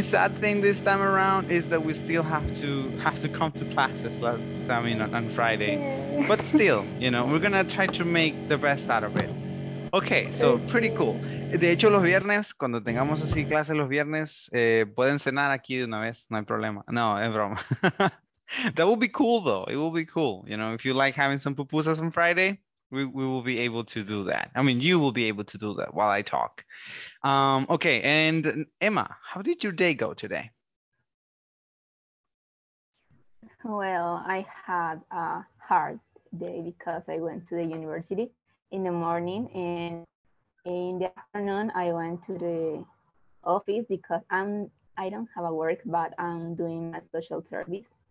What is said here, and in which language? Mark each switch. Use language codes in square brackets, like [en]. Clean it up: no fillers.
[en] sad thing this time around is that we still have to come to classes last, I mean, on Friday. Yeah. But still, you know, we're going to try to make the best out of it. Okay, so pretty cool. [es] De hecho, los viernes, cuando tengamos así clases los viernes, pueden cenar aquí de una vez, no hay problema. No, es broma. [en] That will be cool, though. It will be cool. You know, if you like having some pupusas on Friday, we will be able to do that. I mean, you will be able to do that while I talk. Okay, and Emma, how did your day go today? Well, I had a hard day because I went to the university in the morning, and in the afternoon I went to the office because I don't have a work, but I'm doing a social service.